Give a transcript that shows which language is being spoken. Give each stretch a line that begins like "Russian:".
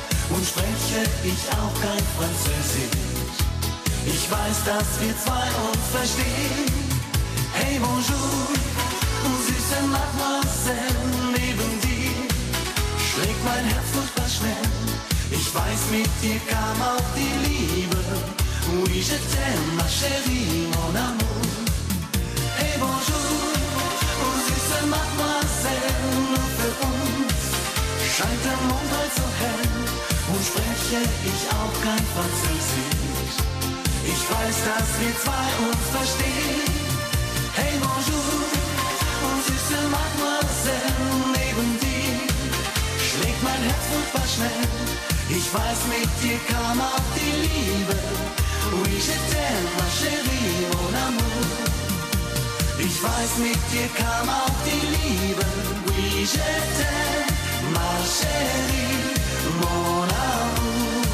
German: Und spreche ich auch kein Französisch, ich weiß, dass wir zwei uns verstehen. Hey, bonjour, süße Mademoiselle, neben dir schlägt mein Herz furchtbar schnell. Ich weiß, mit dir kam auch die Liebe.
French: Oui, je t'aime, ma chérie, mon amour.
German: Hey, bonjour, süße Mademoiselle, nur für uns scheint der Mond heute so hell. Und spreche ich auch kein Französisch, ich weiß, dass wir zwei uns verstehen. Hey, bonjour, und süße Mademoiselle, neben dir schlägt mein Herz furchtbar schnell. Ich weiß, mit dir kam auch die Liebe.
French: Oui, je t'aime, ma chérie, mon amour.
German: Ich weiß, mit dir kam auch die Liebe.
French: Oui, je t'aime, ma chérie, mon amour.